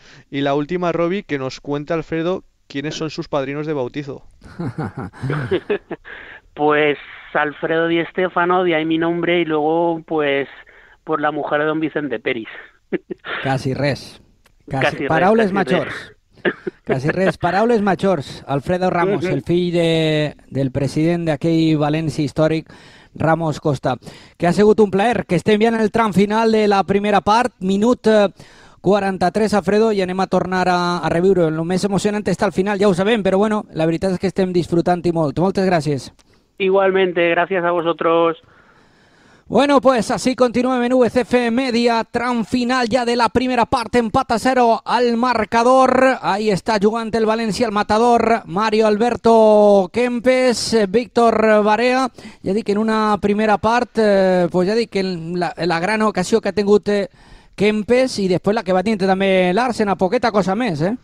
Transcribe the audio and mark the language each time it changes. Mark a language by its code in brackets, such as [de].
[es] Y la última, Robbie, que nos cuenta Alfredo quiénes son sus padrinos de bautizo. Pues Alfredo Di Stéfano, de ahí mi nombre, y luego pues por la mujer de don Vicente Peris. [ca] Casi res. Casi paraules majors. Casi res, paraules majors, Alfredo Ramos, el fill del president d'aquell València històric, Ramos Costa. Que ha sigut un plaer, que estem ja en el tram final de la primera part, minut 43, Alfredo, i anem a tornar a reviure. El més emocionant està al final, ja ho sabem, però bueno, la veritat és que estem disfrutant-hi molt. Moltes gràcies. Igualmente, gràcies a vosaltres. [es] Bueno, pues así continúa en VCF Media, tram final ya de la primera parte, empata cero al marcador. Ahí está jugando el Valencia, el matador, Mario Alberto Kempes, Víctor Barea. Ya di que en una primera parte, pues ya di que la gran ocasión que ha tenido usted Kempes y después la que va a tener también el Arsenal, poqueta cosa más, ¿eh?